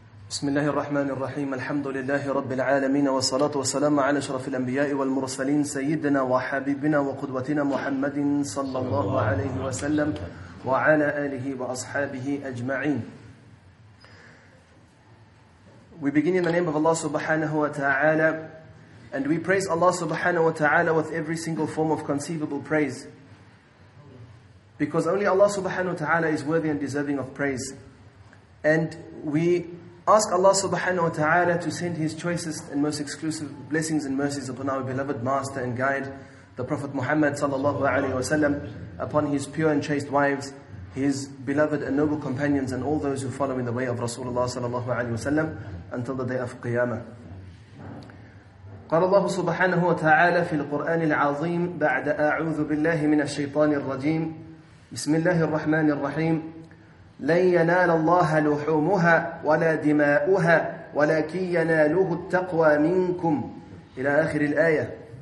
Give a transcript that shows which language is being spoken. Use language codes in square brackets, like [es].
[ar] بسم الله الرحمن الرحيم الحمد لله رب العالمين والصلاة والسلام على أشرف الأنبياء والمرسلين سيدنا وحبيبنا وقدوتنا محمد صلى الله عليه وسلم وعلى آله وأصحابه أجمعين. [en] We begin in the name of Allah subhanahu wa ta'ala, and we praise Allah subhanahu wa ta'ala with every single form of conceivable praise, because only Allah subhanahu wa ta'ala is worthy and deserving of praise. And we ask Allah subhanahu wa ta'ala to send His choicest and most exclusive blessings and mercies upon our beloved master and guide, the Prophet Muhammad sallallahu alayhi wa sallam, upon his pure and chaste wives, his beloved and noble companions, and all those who follow in the way of Rasulullah sallallahu alayhi wa sallam until the day of Qiyamah. [ar] قال الله سبحانه وتعالى في القرآن العظيم بعد أعوذ بالله من الشيطان الرجيم بسم الله الرحمن الرحيم لن ينال الله لحومها ولا دماؤها ولكن يناله التقوى منكم إلى آخر الآية.